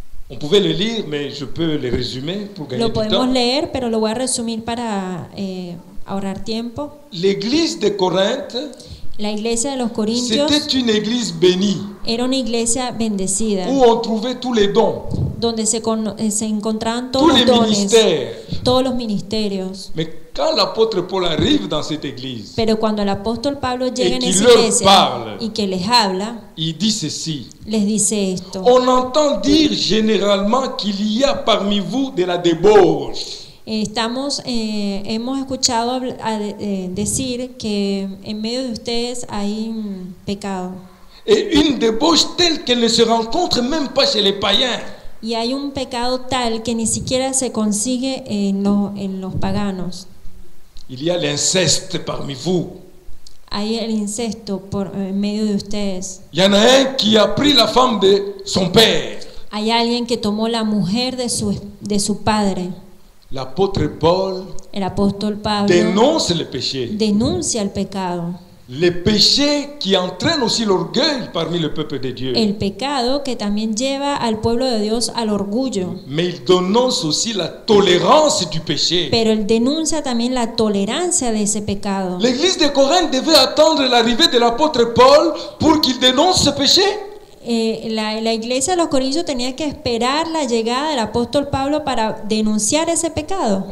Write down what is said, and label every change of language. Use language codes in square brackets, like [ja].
[fr] on pouvait le lire, mais je peux le résumer pour gagner [es] lo [fr] du [es] podemos [fr] temps. [es] Leer, pero lo voy a resumir para ahorrar tiempo. [fr] L'église de Corinthe, [es] la iglesia de los Corintios, [fr] c'était une église bénie, [es] era una iglesia bendecida, [fr] où on trouvait tous les dons, [es] donde se encontraban todos [fr] tous [es] los [fr] les [es] dones, [fr] ministères. [es] Todos los ministerios. [fr] Mais quand l'apôtre Paul arrive dans cette église, [es] pero cuando el apóstol Pablo llega en esa iglesia [fr] parle, [es] y que les habla, [fr] il dit ceci, [es] les dice esto. [fr] On entend dire généralement qu'il y a parmi vous de la débauche. [es] Hemos escuchado decir que en medio de ustedes hay pecado. [fr] Et une débauche telle qu'elle ne se rencontre même pas chez les païens. [es] Y hay un pecado tal que ni siquiera se consigue en los paganos. [fr] Il y a l'inceste parmi vous. [es] Hay el incesto por en medio de ustedes. [fr] Y en a un qui a pris la femme de son père. [es] Hay alguien que tomó la mujer de su padre. [fr] L'apôtre Paul, [es] el apóstol Pablo, [fr] dénonce le péché. [es] Denuncia el pecado. [fr] Le péché qui entraîne aussi l'orgueil parmi le peuple de Dieu. [es] El pecado que también lleva al pueblo de Dios al orgullo. [fr] Mais il dénonce aussi la tolérance du péché. [es] Pero él denuncia también la tolerancia de ese pecado. [fr] L'église de Corinthe devait attendre l'arrivée de l'apôtre Paul pour qu'il dénonce ce péché. [es] La iglesia de los Corintios tenía que esperar la llegada del apóstol Pablo para denunciar ese pecado.